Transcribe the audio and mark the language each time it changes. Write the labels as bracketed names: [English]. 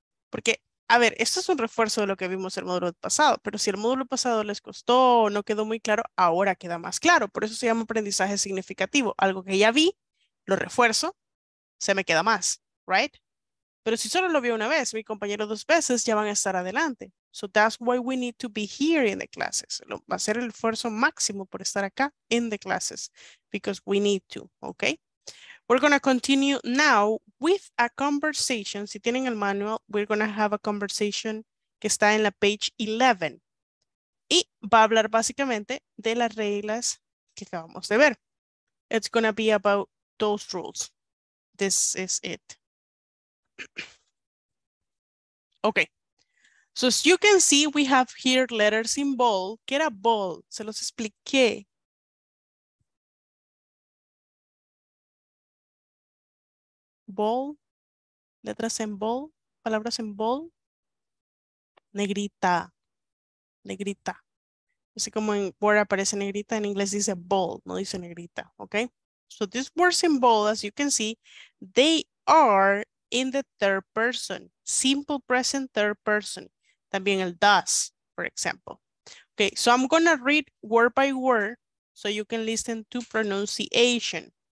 [Spanish] Porque, a ver, esto es un refuerzo de lo que vimos el módulo pasado, pero si el módulo pasado les costó o no quedó muy claro, ahora queda más claro. Por eso se llama aprendizaje significativo. Algo que ya vi, lo refuerzo, se me queda más, right? Pero si solo lo vi una vez, mi compañero dos veces, ya van a estar adelante. [English] So that's why we need to be here in the classes. [Spanish] Va a ser el esfuerzo máximo por estar acá [English] in the classes, because we need to, okay? We're going to continue now with a conversation. [Spanish] Si tienen el manual, [English] we're going to have a conversation [Spanish] que está en la page 11. Y va a hablar básicamente de las reglas que acabamos de ver. [English] It's going to be about those rules. This is it. Okay. So as you can see, we have here letters in bold. [Spanish] ¿Qué era bold? Se los expliqué. Bold, letras en bold, palabras en bold, negrita, negrita. Así como en word aparece negrita, en inglés dice bold, no dice negrita, okay? [English] So these words in bold, as you can see, they are in the third person, simple present third person. [Spanish] También el [English] does, for example. Okay, so I'm gonna read word by word so you can listen to pronunciation.